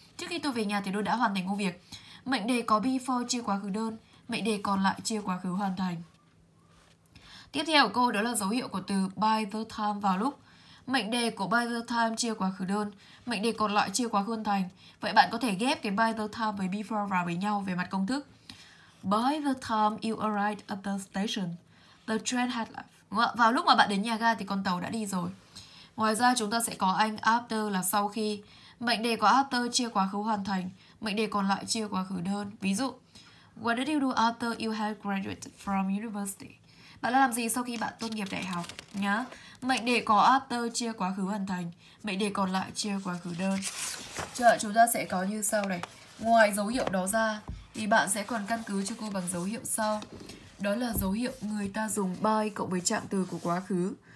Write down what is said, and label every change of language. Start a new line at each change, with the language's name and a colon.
Vietnamese: Trước khi tôi về nhà thì tôi đã hoàn thành công việc. Mệnh đề có before chia quá khứ đơn. Mệnh đề còn lại chia quá khứ hoàn thành. Tiếp theo của cô đó là dấu hiệu của từ by the time vào lúc. Mệnh đề của by the time chia quá khứ đơn, mệnh đề còn lại chia quá khứ hoàn thành. Vậy bạn có thể ghép cái by the time với before vào với nhau về mặt công thức.
English: By the time you arrived at the station, the train had left.
Vietnamese: Vào lúc mà bạn đến nhà ga thì con tàu đã đi rồi. Ngoài ra chúng ta sẽ có anh after là sau khi. Mệnh đề của after chia quá khứ hoàn thành, mệnh đề còn lại chia quá khứ đơn. Ví dụ,
English: what did you do after you had graduated from university?
Vietnamese: Bạn đã làm gì sau khi bạn tốt nghiệp đại học nhá. Mệnh đề có after chia quá khứ hoàn thành, mệnh đề còn lại chia quá khứ đơn. Chờ chúng ta sẽ có như sau này. Ngoài dấu hiệu đó ra thì bạn sẽ còn căn cứ cho cô bằng dấu hiệu sau. Đó là dấu hiệu người ta dùng by cộng với trạng từ của quá khứ.